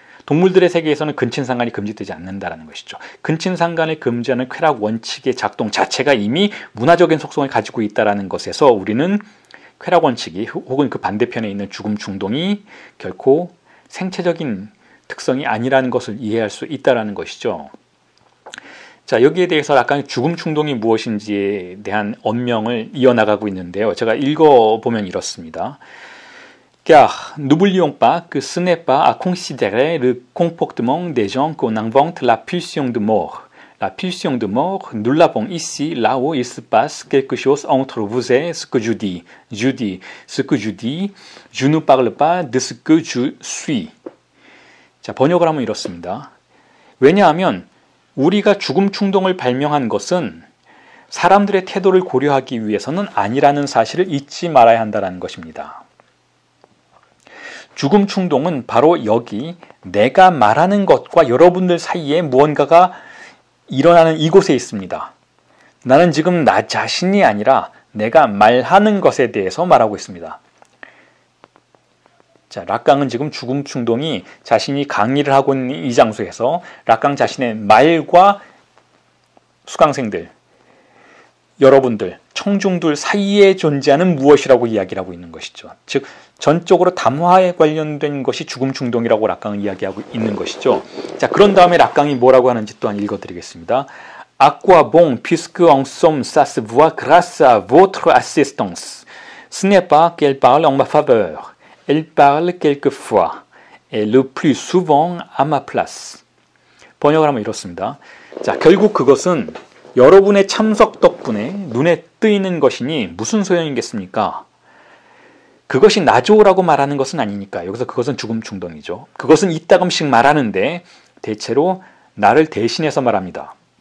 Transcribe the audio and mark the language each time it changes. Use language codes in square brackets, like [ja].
[ko] 동물들의 세계에서는 근친상간이 금지되지 않는다라는 것이죠. 근친상간을 금지하는 쾌락 원칙의 작동 자체가 이미 문화적인 속성을 가지고 있다라는 것에서 우리는 쾌락 원칙이 혹은 그 반대편에 있는 죽음 충동이 결코 생체적인 특성이 아니라는 것을 이해할 수 있다라는 것이죠. 자, 여기에 대해서 약간 죽음 충동이 무엇인지에 대한 언명을 이어나가고 있는데요. 제가 읽어보면 이렇습니다. [fr] Car n'oublions pas que ce n'est pas à considérer le comportement des gens qu'on invente la pulsion de mort. La pulsion de mort, nous l'avons ici, là où il se passe quelque chose entre vous et ce que je dis. Je dis ce que je dis, je ne parle pas de ce que je suis. [ko] 자, 번역을 하면 이렇습니다. 왜냐하면 우리가 죽음 충동을 발명한 것은 사람들의 태도를 고려하기 위해서는 아니라는 사실을 잊지 말아야 한다는 것입니다. 죽음 충동은 바로 여기 내가 말하는 것과 여러분들 사이에 무언가가 일어나는 이곳에 있습니다. 나는 지금 나 자신이 아니라 내가 말하는 것에 대해서 말하고 있습니다. 자, 락강은 지금 죽음 충동이 자신이 강의를 하고 있는 이 장소에서 락강 자신의 말과 수강생들, 여러분들, 청중들 사이에 존재하는 무엇이라고 이야기를 하고 있는 것이죠. 즉, 전적으로 담화에 관련된 것이 죽음 충동이라고 락강은 이야기하고 있는 것이죠. 자, 그런 다음에 락강이 뭐라고 하는지 또한 읽어드리겠습니다. [fr] Aqua bon puisque en somme ça se voit grâce à votre assistance. Ce n'est pas qu'elle parle en ma faveur. Elle parle quelquefois et le plus souvent à ma place. [ko] 번역을 하면 이렇습니다. 자, 결국 그것은 여러분의 참석 덕분에 눈에 뜨이는 것이니 무슨 소용이겠습니까? 그것이 나죠라고 말하는 것은 아니니까. 여기서 그것은 죽음 충동이죠. 그것은 이따금씩 말하는데 대체로 나를 대신해서 말합니다.